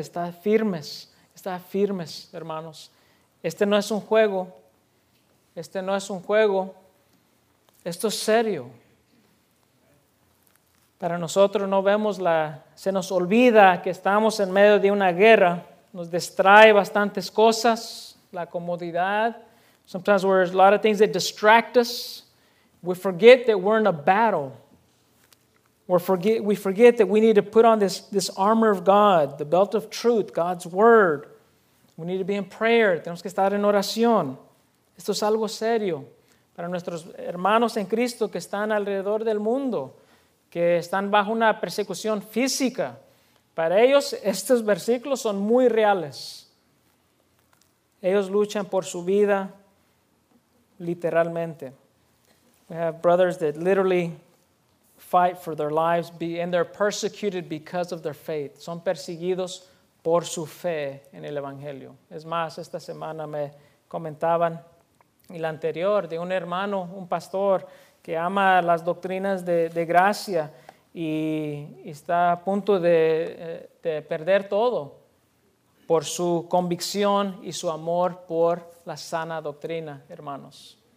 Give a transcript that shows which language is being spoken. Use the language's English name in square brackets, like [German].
[Spanish] Estad firmes, hermanos. Este no es un juego. Este no es un juego. Esto es serio. Para nosotros no vemos la... Se nos olvida que estamos en medio de una guerra. Nos distrae bastantes cosas. La comodidad. [English] Sometimes there's a lot of things that distract us. We forget that we're in a battle. We forget that we need to put on this armor of God. The belt of truth. God's word. We need to be in prayer. [Spanish] Tenemos que estar en oración. Esto es algo serio para nuestros hermanos en Cristo que están alrededor del mundo, que están bajo una persecución física. Para ellos, estos versículos son muy reales. Ellos luchan por su vida literalmente. [English] We have brothers that literally fight for their lives, and they're persecuted because of their faith. [Spanish] Son perseguidos por su fe en el Evangelio. Es más, esta semana me comentaban, y la anterior, de un hermano, un pastor, que ama las doctrinas de gracia y está a punto de perder todo por su convicción y su amor por la sana doctrina, hermanos.